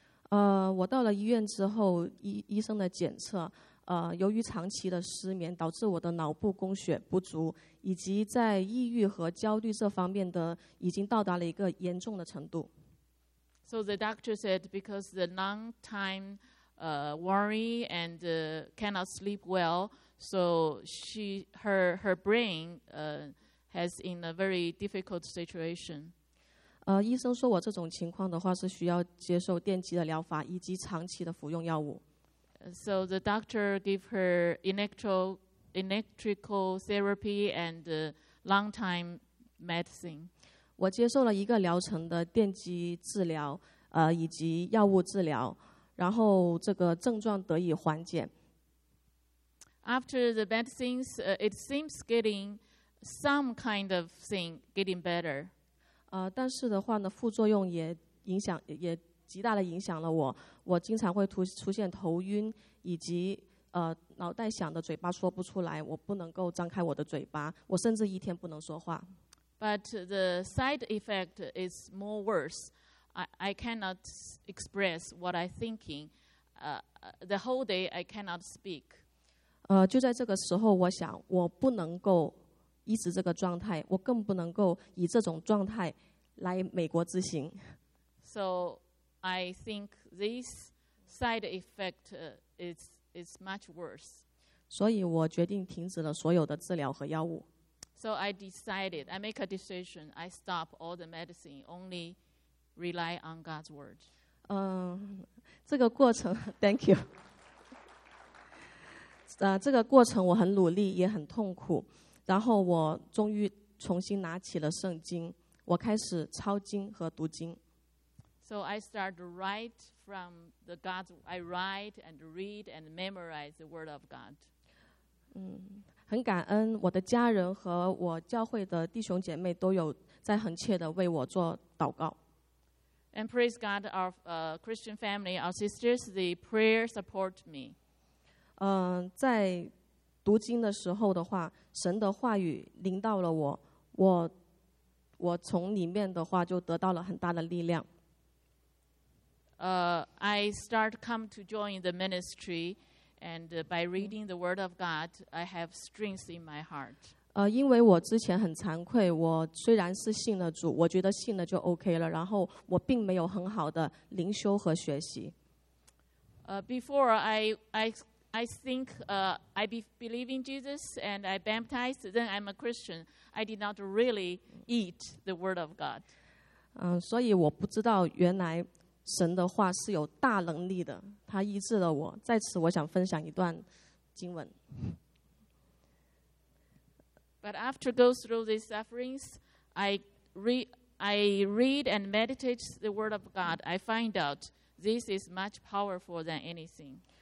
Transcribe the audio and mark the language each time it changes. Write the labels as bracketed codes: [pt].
[zh] 我到了医院之后，医生的检测，由于长期的失眠，导致我的脑部供血不足，以及在抑郁和焦虑这方面的已经到达了一个严重的程度。 [en] So the doctor said because the long time worry and cannot sleep well, so her brain has in a very difficult situation. [zh] 医生说我这种情况的话是需要接受电击的疗法以及长期的服用药物。 [en] So the doctor gave her electrical therapy and long time medicine. [zh] 我接受了一个疗程的电击治疗，以及药物治疗，然后这个症状得以缓解。 After the medicines, it seems getting some kind of thing getting better. 但是的话呢，副作用也影响，也极大的影响了我。我经常会出现头晕，以及脑袋想的嘴巴说不出来，我不能够张开我的嘴巴，我甚至一天不能说话。 [en] But the side effect is more worse. I cannot express what I'm thinking. The whole day I cannot speak. [zh] 就在这个时候，我想我不能够一直这个状态，我更不能够以这种状态来美国之行。 [en] So I think this side effect is much worse. [zh] 所以我决定停止了所有的治疗和药物。 [en] So I decided, I make a decision, I stop all the medicine, only rely on God's word. [zh] 这个过程 , [en] thank you. [zh] 这个过程我很努力，也很痛苦，然后我终于重新拿起了圣经，我开始抄经和读经。 [en] So I start to write from the God's, I write and read and memorize the word of God. [zh] 很感恩我的家人和我教会的弟兄姐妹都有在恒切的为我做祷告。 [en] And praise God, our Christian family, our sisters, the prayer support me. [zh] 在读经的时候的话，神的话语临到了我，我从里面的话就得到了很大的力量。 [en] I start come to join the ministry. And by reading the word of God, I have strength in my heart. [zh] 因为我之前很惭愧，我虽然是信了主，我觉得信了就 OK 了，然后我并没有很好的灵修和学习。 [en] Before I believe in Jesus and I baptized, then I'm a Christian. I did not really eat the word of God. [zh] 所以我不知道原来神的话是有大能力的，他医治了我。在此我想分享一段经文。 [en] But after go through these sufferings, I read and meditate the word of God. I find out this is much powerful than anything.